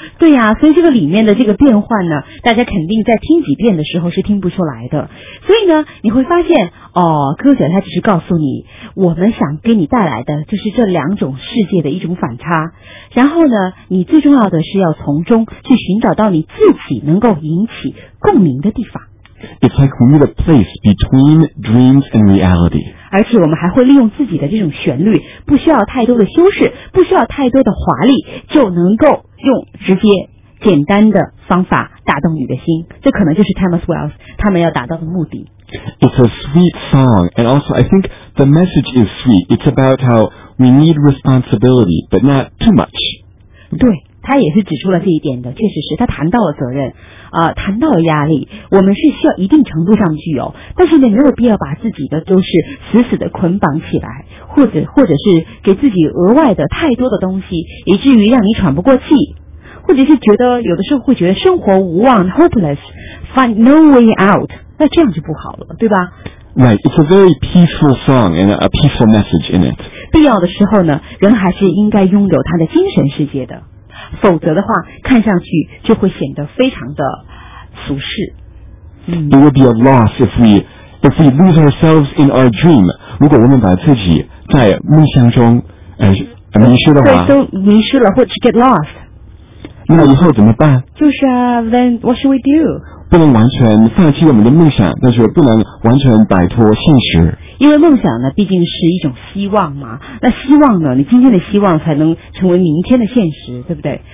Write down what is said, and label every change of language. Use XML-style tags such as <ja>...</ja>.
<zh>对呀、所以这个里面的这个变换呢，大家肯定在听几遍的时候是听不出来的。所以呢，你会发现哦，歌者他只是告诉你，我们想给你带来的就是这两种世界的一种反差。然后呢，你最重要的是要从中去寻找到你自己能够引起共鸣的地方。</zh> <en>It's like we need a place between dreams and reality.</en> <zh>而且我们还会利用自己的这种旋律，不需要太多的修饰，不需要太多的华丽，就能够用直接简单的方法打动你的心。这可能就是 Thomas Wells 他们要达到的目的。</zh> <en>It's a sweet song, and also I think the message is sweet. It's about how we need responsibility, but not too much.</en> <zh>对，他也是指出了这一点的，确实是他谈到了责任。谈到压力，我们是需要一定程度上具有，但是呢，没有必要把自己的都是死死的捆绑起来，或者是给自己额外的太多的东西，以至于让你喘不过气，或者是觉得有的时候会觉得生活无望 ，hopeless，</zh> <en>find no way out，</en> <zh>那这样就不好了，对吧</zh> <en>？Right, it's a very peaceful song and a peaceful message in it.</en> <zh>必要的时候呢，人还是应该拥有他的精神世界的。否则的话，看上去就会显得非常的俗世。</zh> <en>It would be a loss if we lose ourselves in our dream.</en> <zh>如果我们把自己在梦想中迷失的话，都迷失了，或者</zh> <en>get lost，</en> <zh>那以后怎么办？</zh> <en>就是啊 ，then what should we do？</en> <zh>不能完全放弃我们的梦想，但是不能完全摆脱现实。因为梦想呢，毕竟是一种希望嘛。那希望呢，你今天的希望才能成为明天的现实，对不对？</zh>